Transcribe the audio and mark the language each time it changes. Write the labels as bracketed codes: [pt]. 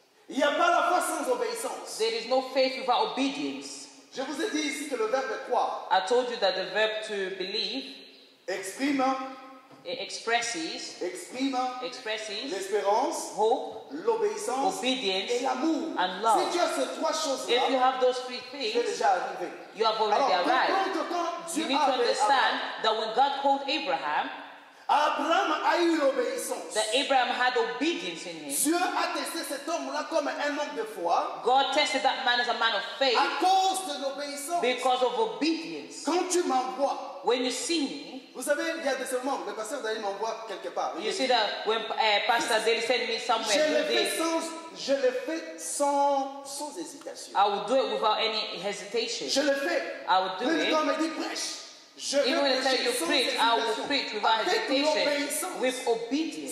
[fr] Il n'y a pas la foi sans obéissance. [en] There is no faith without obedience. [fr] Je vous ai dit ici que le verbe croire. [en] I told you that the verb to believe [fr] exprime. [en] It expresses, [fr] exprime, [en] expresses [fr] l'espérance, [en] hope, [fr] l'obéissance, [en] obedience, [fr] et l'amour, [en] and love. [fr] Si tu as ces trois choses-là, [en] if you have those three things, [fr] déjà arrivé. [en] You have already [fr] alors, [en] arrived. [fr] Quand, quand [en] you need to understand [fr] Abraham, [en] that when God called Abraham, [fr] Abraham a eu l'obéissance. [en] That Abraham had obedience in him. [fr] Dieu a testé cet homme-là comme un homme de foi. [en] God tested that man as a man of faith. [fr] À cause de l'obéissance. [en] Because of obedience. [fr] Quand tu m'envoies, [en] when you see me. [fr] Vous savez, il y a des moments, le pasteur Daniel m'envoie quelque part. [en] You see that when Pastor Daniel sent me somewhere. [fr] Je le fais sans hésitation. [en] I would do it without any hesitation. [fr] Je le fais. [en] I would do [fr] même [en] it. [fr] Quand on me dit prêche, [en] Even when they tell you preach, I will preach without hesitation, with obedience.